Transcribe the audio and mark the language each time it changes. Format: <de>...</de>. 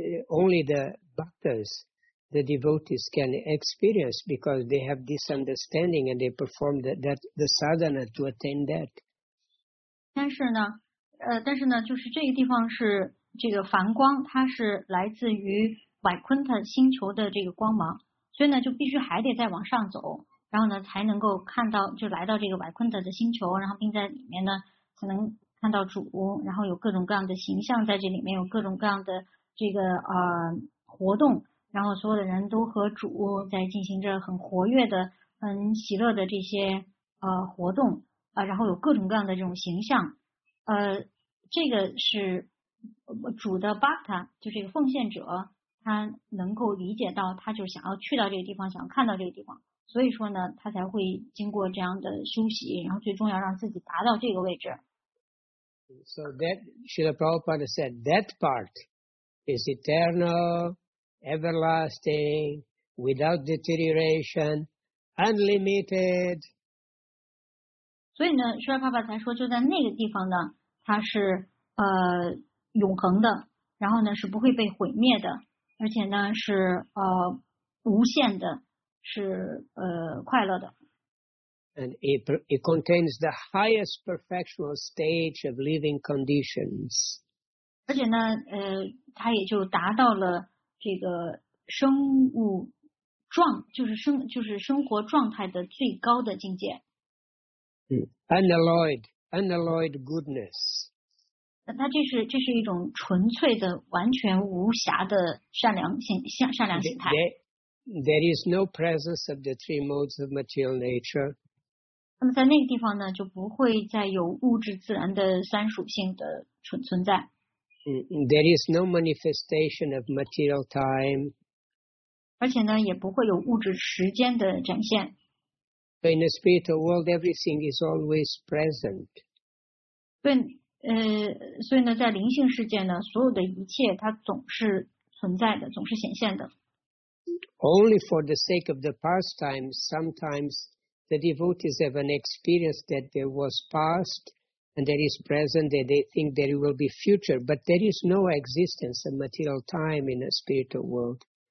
<en>only the bhaktas, the devotees can experience because they have this understanding and they perform the sadhana to attain that.</en> <zh>但是呢，就是这个地方是这个梵光，它是来自于维昆特星球的这个光芒，所以呢就必须还得再往上走，然后呢才能够看到，就来到这个维昆特的星球，然后并在里面呢才能看到主，然后有各种各样的形象在这里面，有各种各样的这个活动，然后所有的人都和主在进行着很活跃的、很喜乐的这些活动然后有各种各样的这种形象，这个是主的 Bhakta， 就是一个奉献者，他能够理解到，他就是想要去到这个地方，想要看到这个地方，所以说呢，他才会经过这样的休息，然后最终要让自己达到这个位置。</zh> <en>So that Srila Prabhupada said that part is eternal, everlasting, without deterioration, unlimited.</en> <zh>所以呢，Srila Prabhupada才说，就在那个地方呢，它是永恒的，然后呢是不会被毁灭的，而且呢是无限的，是快乐的。</zh> <en>And it contains the highest perfectional stage of living conditions.</en> <zh>而且呢，它也就达到了这个生物状，就是生活状态的最高的境界。</zh> <en>Unalloyed goodness.</en> <zh>它这是一种纯粹的、完全无瑕的善良心态。</zh> <en>There is no presence of the three modes of material nature.</en> <zh>那么在那个地方呢，就不会再有物质自然的三属性的存在。</zh> <en>There is no manifestation of material time.</en> <zh>而且呢，也不会有物质时间的展现。</zh> <en>In the spiritual world, everything is always present.</en> <zh>对，所以呢，在灵性世界呢，所有的一切它总是存在的，总是显现的。</zh> <en>Only for the sake of the pastime, sometimes. The devotees have an experience that there was past and there is present, that they think there will be future, but there is no existence of material time in a spiritual world.</en>